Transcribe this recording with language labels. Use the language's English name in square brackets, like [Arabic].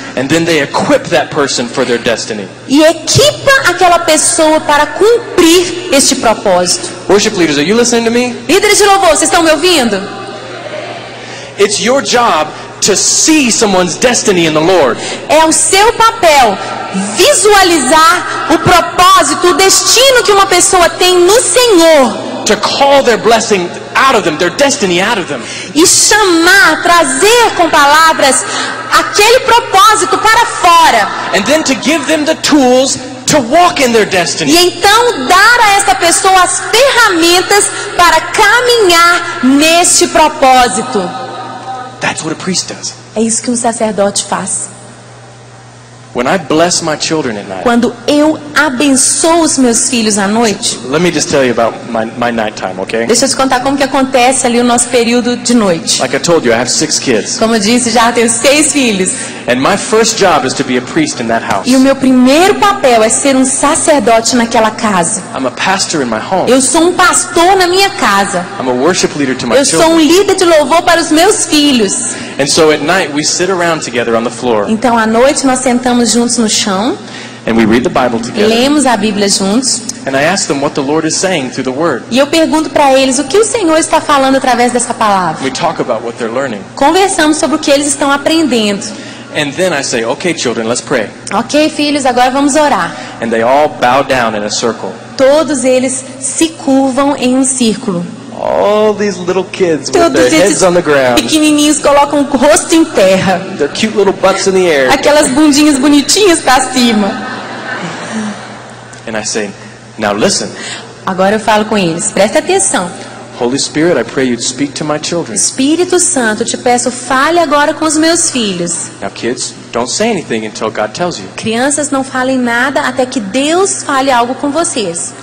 [English] And then they equip that person for their destiny. [Portuguese] E equipa aquela pessoa para cumprir este propósito. [English] Worship leaders, are you listening to me? [Portuguese] Líderes de louvor, vocês estão me ouvindo? [English] It's your job to see someone's destiny in the Lord. [Portuguese] É o seu papel visualizar o propósito, o destino que uma pessoa tem no Senhor. [English] To call their blessing out of them, their destiny out of them. [Portuguese] E chamar, trazer com palavras aquele propósito para fora. [English] And then to give them the tools to walk in their destiny. [Portuguese] E então dar a esta pessoa as ferramentas para caminhar neste propósito. [English] That's what a priest does. [Portuguese] É isso que um sacerdote faz. [English] When I bless my children at night. [Portuguese] Quando eu abençoo os meus filhos à noite. [English] Let me just tell you about my nighttime, okay? [Portuguese] Deixa eu te contar como que acontece ali o nosso período de noite. [English] Like I told you, I have six kids. [Portuguese] Como eu disse, já tenho seis filhos. [English] And my first job is to be a priest in that house. [Portuguese] E o meu primeiro papel é ser um sacerdote naquela casa. [English] I'm a pastor in my home. [Portuguese] Eu sou um pastor na minha casa. [English] I'm a worship leader to my children. [Portuguese] Eu sou um líder de louvor para os meus filhos. [English] And so at night we sit around together on the floor. [Portuguese] Então à noite nós sentamos juntos no chão. [English] And we read the Bible together. [Portuguese] Lemos a Bíblia juntos. [English] And I ask them what the Lord is saying through the word. [Portuguese] E eu pergunto para eles o que o Senhor está falando através dessa palavra. [English] We talk about what they're learning. [Portuguese] Conversamos sobre o que eles estão aprendendo. [English] And then I say, okay, children, let's pray. [Portuguese] Okay, filhos, agora vamos orar. [English] And they all bow down in a circle. [Portuguese] Todos eles se curvam em um círculo. [English] All these little kids with their heads on the ground. [Portuguese] Pequenininhos colocam o rosto em terra. [English] Their cute little butts in the air. [Portuguese] Aquelas bundinhas bonitinhas para cima. [English] And I say, now listen. [Portuguese] Agora eu falo com eles. Presta atenção. [English] Holy Spirit, I pray you'd speak to my children. [Portuguese] Espírito Santo, te peço, fale agora com os meus filhos. [English] Now kids, don't say anything until God tells you. [Portuguese] Crianças, não falem nada até que Deus fale algo com vocês.